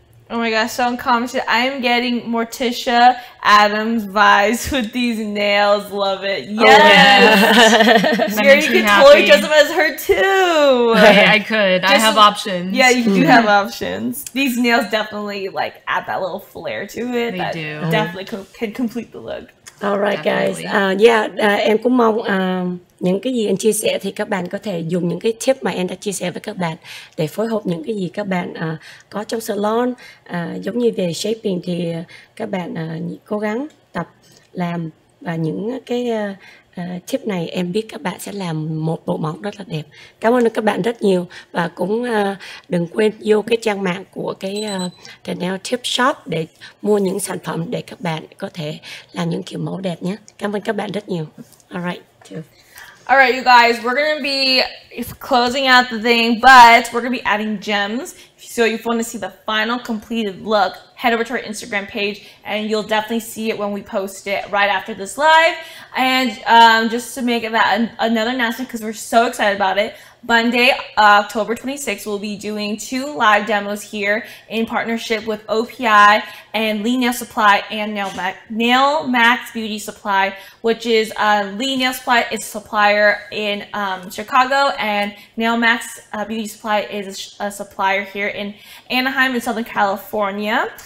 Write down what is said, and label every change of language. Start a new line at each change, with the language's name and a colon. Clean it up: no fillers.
English: Oh my gosh, someone commented, I am getting Morticia Adams vibes with these nails. Love it. Yes! Here, you can totally dress up as her too. I could. Just, I have options. Yeah, you do have options. These nails definitely like add that little flair to it. They do. Definitely can complete the look. All right, guys.
Vietnamese: Em cũng mong những cái gì anh chia sẻ thì các bạn có thể dùng những cái tip mà em đã chia sẻ với các bạn để phối hợp những cái gì các bạn có trong salon. Giống như về shaping thì các bạn cố gắng tập làm và những cái tip này em biết các bạn sẽ làm một bộ móng rất là đẹp. Cảm ơn các bạn rất nhiều và cũng đừng quên vô cái trang mạng của cái Nail Tip Shop để mua những sản phẩm để các bạn có thể làm những kiểu mẫu đẹp nhé. Cảm ơn các bạn rất nhiều.
English: All right. All right, you guys, we're going to be closing out the thing, but we're going to be adding gems. So if you want to see the final completed look, head over to our Instagram page, and you'll definitely see it when we post it right after this live. And just to make that another announcement, because we're so excited about it, Monday, October 26th, we'll be doing two live demos here in partnership with OPI and Lee Nail Supply and Nail Max Beauty Supply, which is Lee Nail Supply is a supplier in Chicago, and Nail Max Beauty Supply is a supplier here in Anaheim in Southern California.